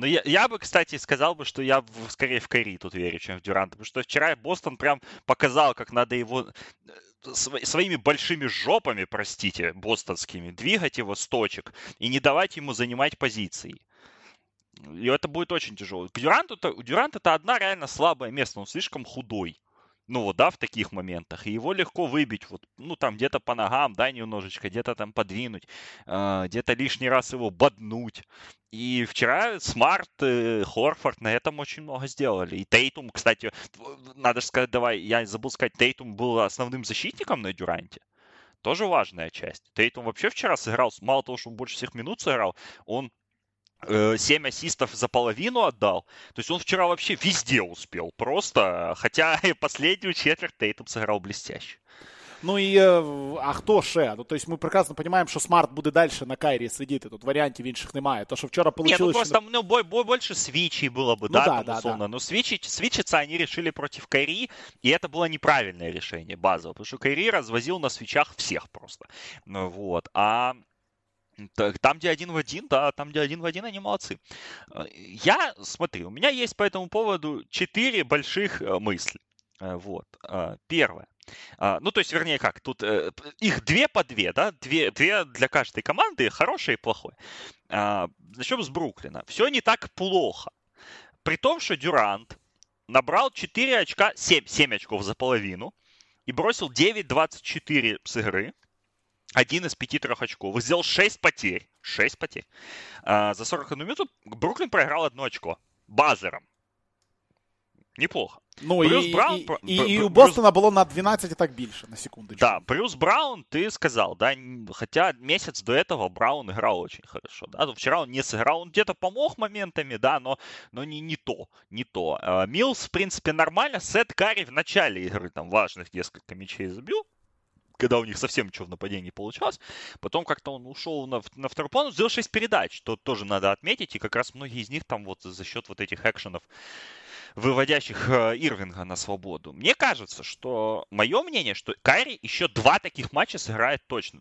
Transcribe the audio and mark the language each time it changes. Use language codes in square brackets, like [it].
[uk] Ну, я би, кстати, сказав би, що я б скорее в Кайрі тут вірю, чим в Дюрента. Тому що вчора Бостон прям показав, як треба його... [ru] своими большими жопами, простите, бостонскими, двигать его с точек и не давать ему занимать позиции. И это будет очень тяжело. Дюрант это одна реально слабое место. Он слишком худой. Ну вот, да, в таких моментах. И его легко выбить, вот, ну там где-то по ногам, да, немножечко, где-то там подвинуть, где-то лишний раз его боднуть. И вчера Смарт, Хорфорд на этом очень много сделали. И Тейтум, кстати, надо же сказать, давай, я забыл сказать, Тейтум был основным защитником на Дюранте. Тоже важная часть. Тейтум вообще вчера сыграл, мало того, что он больше всех минут сыграл, он 7 ассистов за половину отдал. То есть он вчера вообще везде успел. Просто, хотя последнюю четверть Тейтум сыграл блестяще. [uk] Ну і а хто ще? Ну, тобто ми прекрасно розуміємо, що Смарт буде далі на Кайрі сидіти. Тут варіантів інших немає. То, що вчора вийшло. Ні, ну просто що... там, ну, більше свічей було б, ну, да, там условно. Да, да. Ну, свічиться вони вирішили проти Кайрі, і це було неправильне рішення базове, тому що Кайрі розвозив на свічах всіх просто. Ну, вот. [ru] А так, там, где один в один, да, там, где один в один, они молодцы. Я, смотри, у меня есть по этому поводу 4 больших мысли. Вот. Первое. Ну, то есть, вернее, как, тут их 2 по 2, да, 2 для каждой команды, хорошее и плохое. Начнем с Бруклина. Все не так плохо. При том, что Дюрант набрал 4 очка, 7 очков за половину. [uk] і бросив 9-24 з гри. Один із 5 трьохочкових. Зробив 6 потерь. 6 потерь. За 41 минуту Бруклін програв 1 очко. [ru] Базером. Неплохо. Ну, Брюс Браун, у Бостона Брюс... [uk] було на 12 і так більше, на секундочку. Да, Брюс Браун, ти сказав, да, хоча місяць до цього Браун грав дуже хорошо. Да, вчора він не зіграв, він десь допомог моментами, да, [ru] но не то. Не то. [uk] Мілс, в принципі, нормально. Сет Карі в началі ігри там важних кілька м'ячей забив. [ru] Когда у них совсем ничего в нападении не получалось. Потом как-то он ушел на второй план, сделал 6 передач, то тоже надо отметить. И как раз многие из них там вот за счет вот этих экшенов, выводящих Ирвинга на свободу. Мне кажется, что мое мнение, что Кайри еще 2 таких матча сыграет точно.